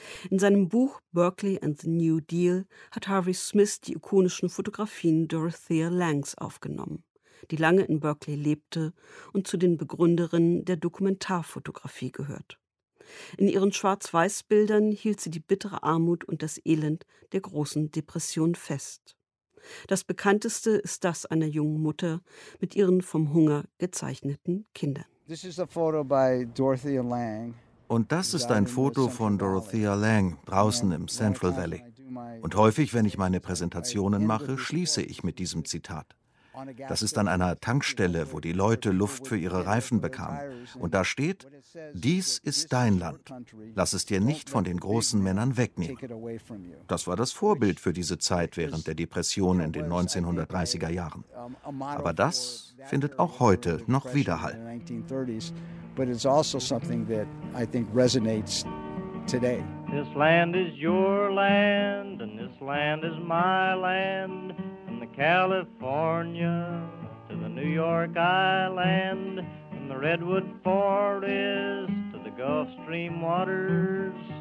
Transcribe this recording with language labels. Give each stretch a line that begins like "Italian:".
German: In seinem Buch Berkeley and the New Deal hat Harvey Smith die ikonischen Fotografien Dorothea Langs aufgenommen, die lange in Berkeley lebte und zu den Begründerinnen der Dokumentarfotografie gehört. In ihren Schwarz-Weiß-Bildern hielt sie die bittere Armut und das Elend der großen Depression fest. Das bekannteste ist das einer jungen Mutter mit ihren vom Hunger gezeichneten Kindern.
English: This is a photo by Dorothea Lang.
German: Und das ist ein Foto von Dorothea Lang draußen im Central Valley. Und häufig, wenn ich meine Präsentationen mache, schließe ich mit diesem Zitat. Das ist an einer Tankstelle, wo die Leute Luft für ihre Reifen bekamen. Und da steht, dies ist dein Land. Lass es dir nicht von den großen Männern wegnehmen. Das war das Vorbild für diese Zeit während der Depression in den 1930er Jahren. Aber das findet auch heute noch Widerhall.
English: But it's also something that I think resonates today. This land is your land, and this land is my land. From the California to the New York Island, from the Redwood Forest to the Gulf Stream waters.